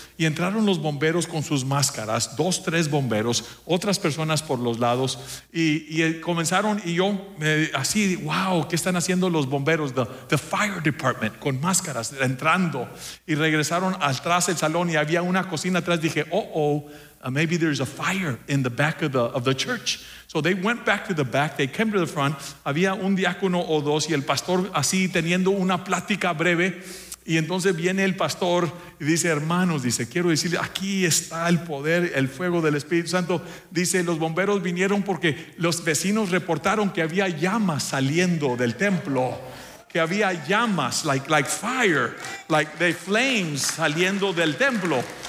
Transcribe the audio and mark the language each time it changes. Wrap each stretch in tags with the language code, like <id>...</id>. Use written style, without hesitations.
<es>Y entraron los bomberos con sus máscaras, dos, tres bomberos, otras personas por los lados. Y comenzaron, y yo así: wow, ¿qué están haciendo los bomberos?</es> <en>The fire department,</en> <es>con máscaras, entrando. Y regresaron atrás el salón, y había una cocina atrás. Dije:</es> <en>oh, maybe there's a fire in the back of the church. So they went back to the back, they came to the front.</en> <es>Había un diácono o dos, y el pastor así teniendo una plática breve. Y entonces viene el pastor y dice: hermanos, dice, quiero decirle, aquí está el poder, el fuego del Espíritu Santo. Dice: los bomberos vinieron porque los vecinos reportaron que había llamas saliendo del templo, que había llamas,</es> <en>like fire, like the flames</en> <es>saliendo del templo.</es>